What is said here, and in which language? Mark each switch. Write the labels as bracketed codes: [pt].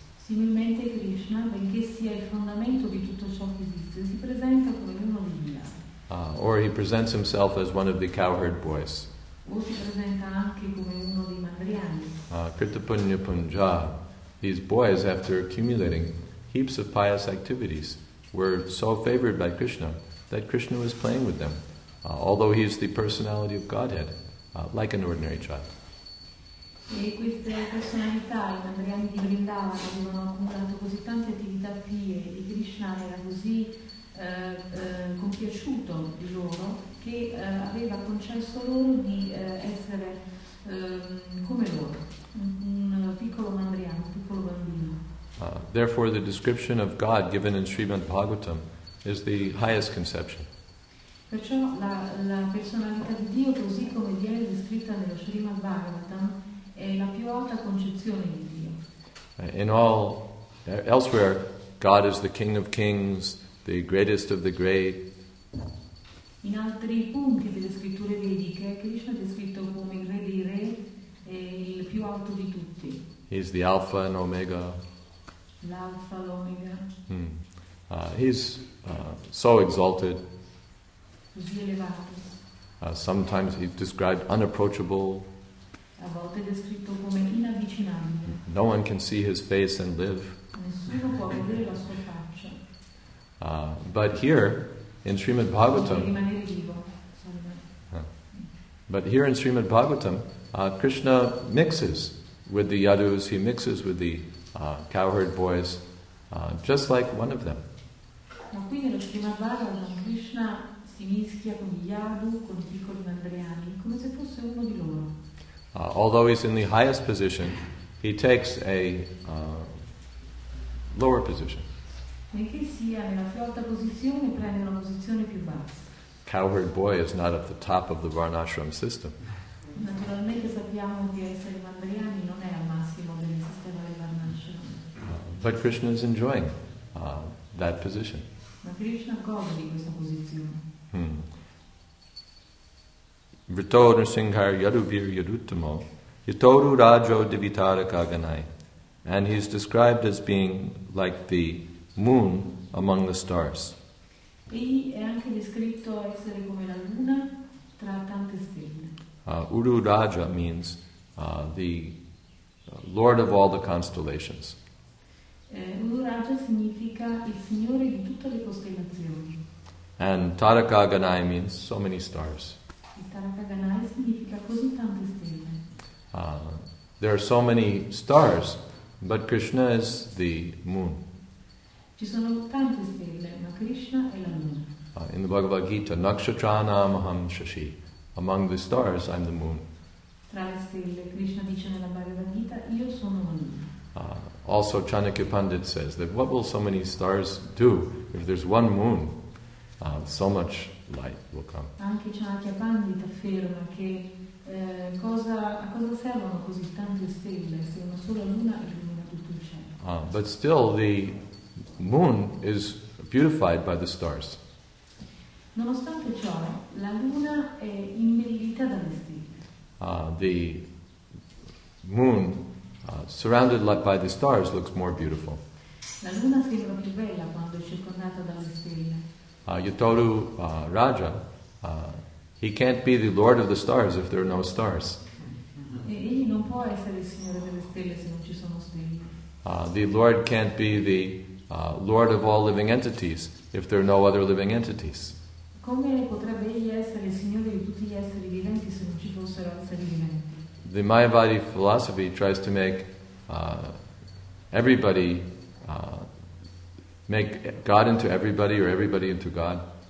[it] Similmente Krishna, benché sia il fondamento di tutto ciò che esiste, si presenta come uno degli Yadus. [en] Or he presents himself as one of the cowherd boys. [it] O si presenta anche come uno dei mandriani. [sa] Kritapunya Punja, [en] these boys, after accumulating heaps of pious activities, were so favored by Krishna that Krishna was playing with them. Although he is the personality of Godhead, like an ordinary child. [it] E queste personalità, i mandriani di Vrindavan, avevano accumulato così tante attività pie e Krishna era così compiaciuto di loro che aveva concesso loro di essere come loro, un piccolo mandriano, un piccolo bambino. [en] Therefore, the description of God given in Srimad Bhagavatam is the highest conception. [it] Perciò la personalità di Dio, così come viene descritta nello Srimad Bhagavatam, è è la più alta concezione di Dio. [en] In all elsewhere, God is the King of Kings, the greatest of the great. [it] In altri punti delle scritture vediche, Krishna è descritto come il re dei re e il più alto di tutti. [en] He's the Alpha and Omega. [it] L'Alpha, l'Omega. [en] He's so exalted. [it] Così elevato. [en] Sometimes he's described unapproachable. [it] A volte è descritto come inavvicinabile. [en] No one can see his face and live. [it] Nessuno può vedere la sua faccia. [en] But here, in Srimad Bhagavatam, Krishna mixes with the Yadus, he mixes with the cowherd boys, just like one of them. [it] Ma qui nello Srimad Bhagavatam Krishna si mischia con gli Yadu, con i piccoli mandriani, come se fosse uno di loro. [en] Although he's in the highest position, he takes a lower position. [it] Benché sia nella più alta posizione, prende una posizione più bassa. [en] Cowherd boy is not at the top of the Varnashram system. [it] Naturalmente sappiamo che essere mandriani non è al massimo del sistema del Varnashram. [en] But Krishna is enjoying that position. [it] Ma Krishna gode di questa posizione. [sa] Vrito Nrsinghar Yaduvir Yaduttamo Yatoru Rajo Divitara Kaganai. [en] And he's described as being like the moon among the stars. [it] Egli è anche descritto essere come la luna tra tante stelle. [en] Uru Raja means the lord of all the constellations. [it] Uru Raja significa il signore di tutte le costellazioni. [en] And Tarakaganai means so many stars. [it] Tarakaganai significa così tante stelle. [en] There are so many stars, but Krishna is the moon. [it] Ci sono tante stelle, ma Krishna è la luna. [en] In the Bhagavad Gita, [sa] Nakshatranam aham shashi. [en] Among the stars, I'm the moon. [it] Tra le stelle, Krishna dice nella Bhagavad Gita, io sono la luna. [en] Also, Chanakya Pandit says that what will so many stars do if there's one moon? So much light will come. [it] Anche Chanakya Pandit afferma che a cosa servono così tante stelle se una sola luna illumina tutto il cielo. [en] But still the moon is beautified by the stars. [it] Nonostante ciò, la luna è imbellita dalle stelle. [en] The moon surrounded by the stars looks more beautiful. [it] La luna sembra più bella quando è circondata dalle stelle. [sa] Yatoru Raja, [en] he can't be the lord of the stars if there are no stars. [it] Egli non può essere il signore delle stelle se non ci sono stelle. [en] The lord can't be the lord of all living entities if there are no other living entities. [it] Come potrebbe egli essere il signore di tutti gli esseri viventi se non ci fossero esseri viventi? [en] The Mayavadi philosophy tries to make everybody. Make God into everybody or everybody into God.